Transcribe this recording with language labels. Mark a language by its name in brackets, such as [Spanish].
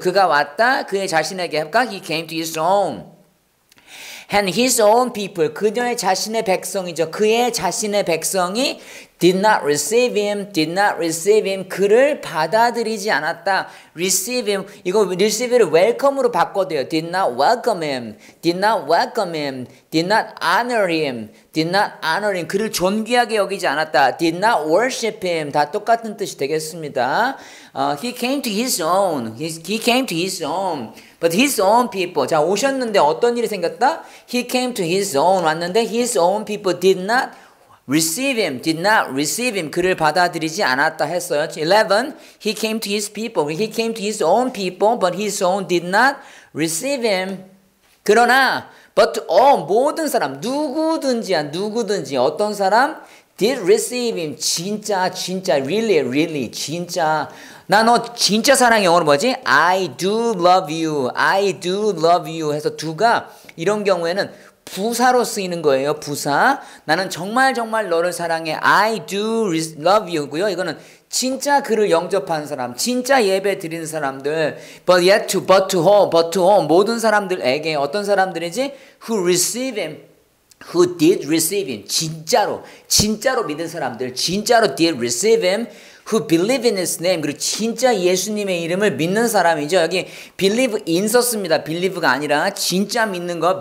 [Korean] 그가 왔다 그의 자신에게. 할까? [English] He came to his own. And his own people. [Korean] 그녀의 자신의 백성이죠. 그의 자신의 백성이 [English] did not receive him, did not receive him. [Korean] 그를 받아들이지 않았다. [English] receive him. [Korean] 이거 receive를 welcome으로 바꿔대요. [English] did not welcome him, did not welcome him, did not honor him, did not honor him. [Korean] 그를 존귀하게 여기지 않았다. [English] did not worship him. [Korean] 다 똑같은 뜻이 되겠습니다. [English] He came to his own. He came to his own. But his own people. [Korean] 자, 오셨는데 어떤 일이 생겼다? [English] He came to his own. [Korean] 왔는데 [English] his own people did not receive him, did not receive him. [Korean] 그를 받아들이지 않았다 했어요. [English] 11, he came to his people. He came to his own people, but his own did not receive him. [Korean] 그러나, [English] but all, [Korean] 모든 사람, 누구든지야, 누구든지, 어떤 사람? [English] Did receive him. [Korean] 진짜, 진짜, [English] really, really, [Korean] 진짜. 나 너 진짜 사랑해. 영어로 뭐지? [English] I do love you. I do love you. [Korean] 해서 두가 이런 경우에는 부사로 쓰이는 거예요. 부사. 나는 정말 정말 너를 사랑해. [English] I do love you고요. [Korean] 이거는 진짜 그를 영접한 사람, 진짜 예배 드린 사람들. [English] But yet to, but to all, but to all. [Korean] 모든 사람들에게 어떤 사람들이지? [English] Who receive him. Who did receive him. [Korean] 진짜로, 진짜로 믿은 사람들. 진짜로 [English] did receive him. Who believe in his name. [Korean] 그리고 진짜 예수님의 이름을 믿는 사람이죠. 여기 believe in 썼습니다. believe가 아니라 진짜 믿는 거.